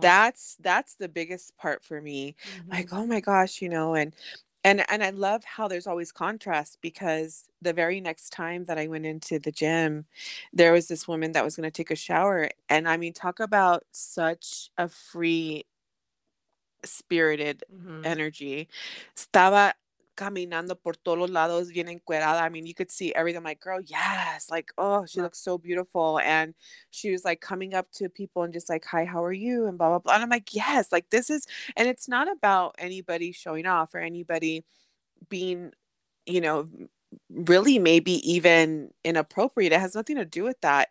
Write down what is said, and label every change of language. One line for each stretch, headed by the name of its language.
English: That's the biggest part for me. Mm-hmm. Like, oh my gosh, you know, and I love how there's always contrast, because the very next time that I went into the gym, there was this woman that was going to take a shower. And I mean, talk about such a free spirited energy.
Spanish: Estaba caminando por todos los lados, bien encuerada.
English: I mean, you could see everything. I'm like, girl, yes. Like, oh, she looks so beautiful. And she was like coming up to people and just like, hi, how are you? And blah, blah, blah. And I'm like, yes, like this is, and it's not about anybody showing off or anybody being, you know, really maybe even inappropriate. It has nothing to do with that.